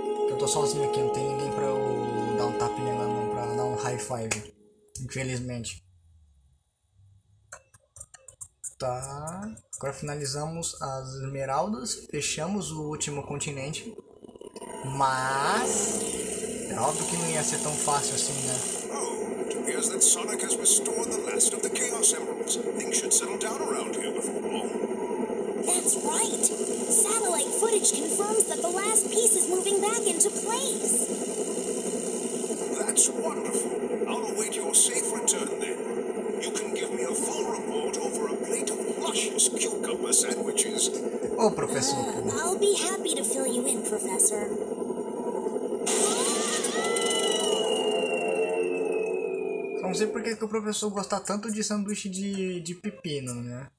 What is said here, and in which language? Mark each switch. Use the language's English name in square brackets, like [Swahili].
[Portuguese] Eu tô sozinho aqui, não tem ninguém pra eu dar um tapinha na mão, pra dar um high five. Infelizmente. Tá. Agora finalizamos as esmeraldas. Fechamos o último continente. Mas... é óbvio que não ia ser tão fácil assim, né? [English] Oh, it appears that Sonic has restored the last of the Chaos Emeralds. Things should settle down around here before long. That's right! Satellite footage confirms that the last piece is moving back into place! That's wonderful! I'll await your safe return then. You can give me a full report over a plate of luscious cucumber sandwiches. Oh, Professor. I'll be happy to fill you in, Professor. [Portuguese] Não sei por que o professor gosta tanto de sanduíche de pepino, né?